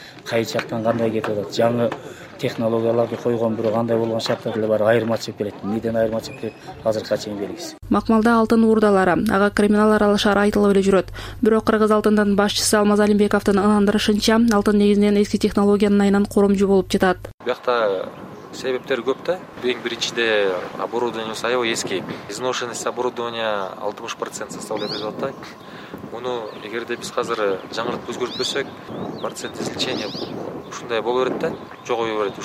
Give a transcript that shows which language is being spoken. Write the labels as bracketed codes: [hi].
[ky] Кай жактан кандай кетип атат, жаңы технологияларды койгон, бирок кандай болгон шарттар деле бар, айырмачылык келет. Эмнеден айырмачылык келет, азыркыга чейин белгисиз. Макмалда алтын уурдалары, ага криминал аралашаар айтылып эле жүрөт. Бирок кыргыз алтындын башчысы Алмаз Алимбековдун ынандырышынча, алтын негизинен эски технологиянын айынан коромжу болуп жатат. Биякта себептер көп да. Эң биринчиде оборудование аябай эски. [ru] Изношенность оборудования 60% составляет [ky] жатат да. Муну эгерде биз азыр жаңыртып өзгөртпөсөк, [ru] процент излечения [ky] ушундай боло берет да, жогоюп берет.